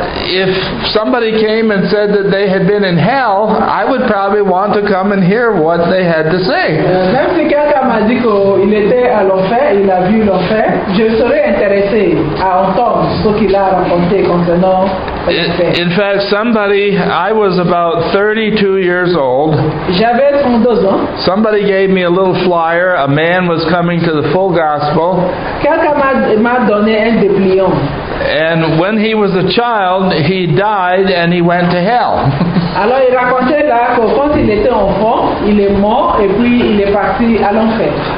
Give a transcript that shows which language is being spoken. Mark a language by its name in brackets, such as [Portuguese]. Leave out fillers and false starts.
[English] If somebody came and said that they had been in hell, I would probably want to come and hear what they had to say. [French] Même si quelqu'un m'a dit qu'il était à l'enfer, il a vu l'enfer, je serais intéressé à entendre ce qu'il a raconté concernant. [English] In fact, I was about 32 years old. [French] J'avais 32 ans. [English] Somebody gave me a little flyer. A man was coming to the full gospel. [French] Quelqu'un m'a donné un dépliant. [English] And when he was a child, he died and he went to hell. [French] Alors il racontait là que quand il était enfant, il est mort et puis il est parti à l'enfer.